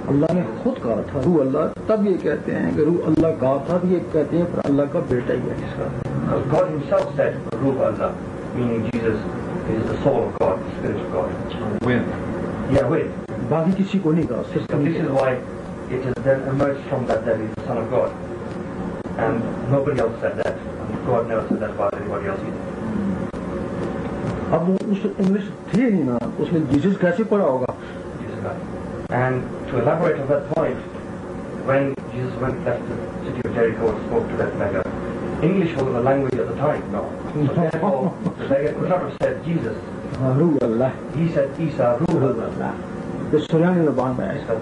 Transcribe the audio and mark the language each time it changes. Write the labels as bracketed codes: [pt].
[ur] اللہ نے خود کہا تھا [ar] روح اللہ، [ur] تب یہ کہتے ہیں کہ روح اللہ کہا تھا، یہ کہتے ہیں پھر اللہ کا بیٹا ہی ہے جس کا. [en] God himself said [ar] روح اللہ, [en] meaning Jesus is the soul of God, the spirit of God. When? Yeah, wait. [ur] باقی کسی کو نہیں کہا. [en] So this is why it has then emerged from that that he is the son of God. And nobody else said that. And God never said that about anybody else either. [ur] اب وہ اس English تھے ہی نا، اس میں Jesus کیسے پڑا ہوگا. [en] And to elaborate on that point, when Jesus went left the city of Jericho and spoke to that beggar, English was the language at the time, no. So therefore, the beggar could not have said Jesus. [ar] روح اللہ. [en] He said Isa [ar] روح اللہ. [en] The Syrian language.